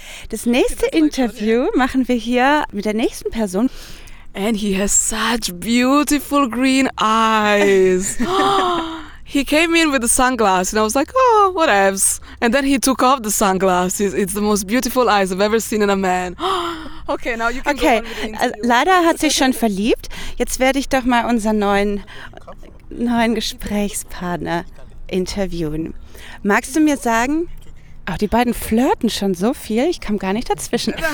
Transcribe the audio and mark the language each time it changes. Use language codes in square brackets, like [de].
[de] Das nächste Interview machen wir hier mit der nächsten Person. [en] And he has such beautiful green eyes. He came in with the sunglasses and I was like, oh, whatevs. And then he took off the sunglasses. It's the most beautiful eyes I've ever seen in a man. Okay, now you can okay. go on with the interview. [de] Lada hat sich schon verliebt. Jetzt werde ich doch mal unseren neuen Gesprächspartner interviewen. Magst du mir sagen... Ach, die beiden flirten schon so viel, ich komme gar nicht dazwischen.